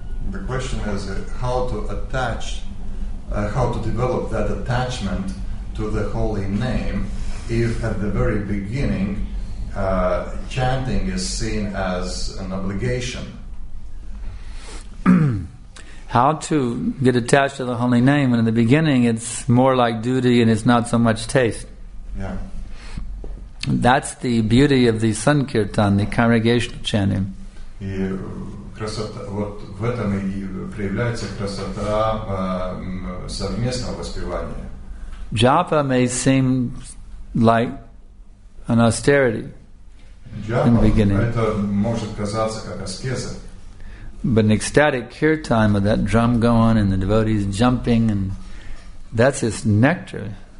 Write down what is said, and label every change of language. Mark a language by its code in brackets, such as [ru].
[en] The question is how to develop that attachment to the holy name if at the very beginning chanting is seen as an obligation. How to get attached to the holy name when in the beginning it's more like duty and it's not so much taste. Yeah. That's the beauty of the sankirtan, the congregational chanting. [ru] И красота, вот в этом и проявляется красота совместного воспевания. [en] Japa may seem like an austerity in the beginning. [ru] Это может казаться как аскеза. [en] But an ecstatic kirtan with that drum going and the devotees jumping, and that's just nectar.